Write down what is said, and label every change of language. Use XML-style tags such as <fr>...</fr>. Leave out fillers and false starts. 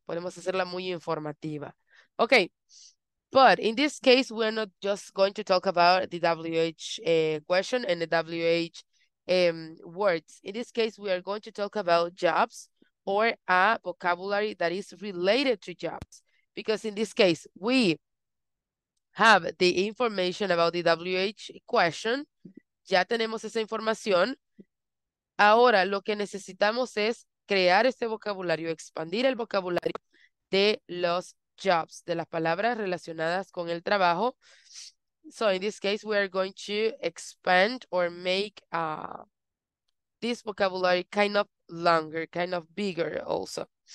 <es>Podemos hacerla muy informativa.</es> <en>Okay, but in this case, we're not just going to talk about the WH question and the WH words. In this case, we are going to talk about jobs or a vocabulary that is related to jobs. Because in this case, we have the information about the WH question.</en> <es>Ya tenemos esa información. Ahora lo que necesitamos es crear este vocabulario, expandir el vocabulario de los jobs, de las palabras relacionadas con el trabajo.</es> <en>So in this case, we are going to expand or make this vocabulary kind of longer, kind of bigger also.</en>